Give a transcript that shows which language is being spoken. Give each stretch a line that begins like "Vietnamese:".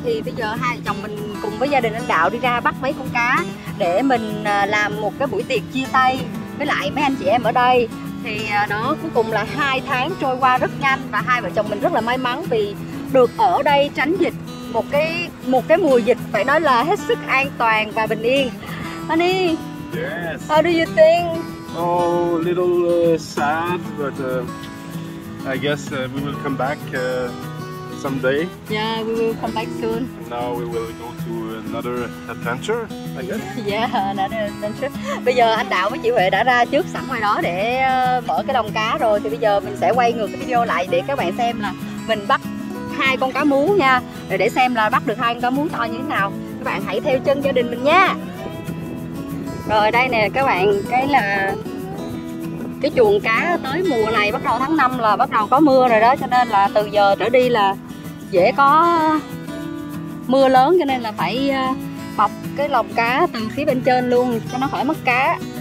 Vietnamese: Thì bây giờ hai vợ chồng mình cùng với gia đình anh Đạo đi ra bắt mấy con cá để mình làm một cái buổi tiệc chia tay với lại mấy anh chị em ở đây. Thì đó, cuối cùng là 2 tháng trôi qua rất nhanh và hai vợ chồng mình rất là may mắn vì được ở đây tránh dịch. Một cái mùa dịch phải nói là hết sức an toàn và bình yên.
English: Honey, yes. How do you think? Oh, a little sad, but I guess we will come back someday. Yeah, we will come back soon. And now we will go to another adventure, I guess. Yeah, another adventure.
Vietnamese: Bây giờ anh Đạo với chị Huệ đã ra trước sẵn ngoài đó để mở cái lồng cá rồi. Thì bây giờ mình sẽ quay ngược cái video lại để các bạn xem là mình bắt 2 con cá mú nha, để xem là bắt được 2 con cá mú to như thế nào. Các bạn hãy theo chân gia đình mình nha. Rồi đây nè các bạn, cái là cái chuồng cá tới mùa này bắt đầu tháng 5 là bắt đầu có mưa rồi đó, cho nên là từ giờ trở đi là dễ có mưa lớn, cho nên là phải bọc cái lồng cá từ phía bên trên luôn cho nó khỏi mất cá.